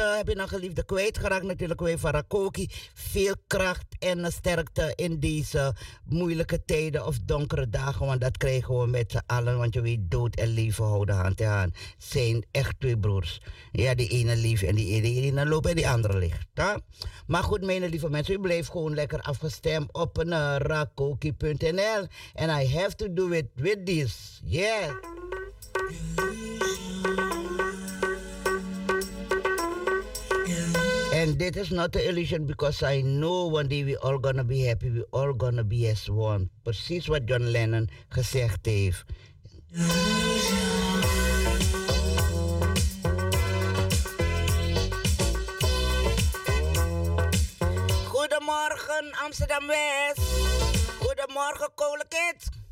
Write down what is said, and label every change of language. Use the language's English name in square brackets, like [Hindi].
[Dutch] Heb je een geliefde kwijtgeraakt? Natuurlijk, wij van Rakoki. Veel kracht en sterkte in deze moeilijke tijden of donkere dagen. Want dat krijgen we met z'n allen. Want je weet, dood en leven houden hand in hand. Zijn echt twee broers. Ja, die ene lief en die ene loopt en die andere ligt. Hè? Maar goed, mijn lieve mensen, u blijft gewoon lekker afgestemd op Rakoki.nl. [English] And I have to do it with this. Yeah. And that is not an illusion because I know one day we all gonna be happy, we all gonna be as one. [Dutch] Precies wat John Lennon gezegd heeft. Goedemorgen Amsterdam West. Goedemorgen Kolenkids.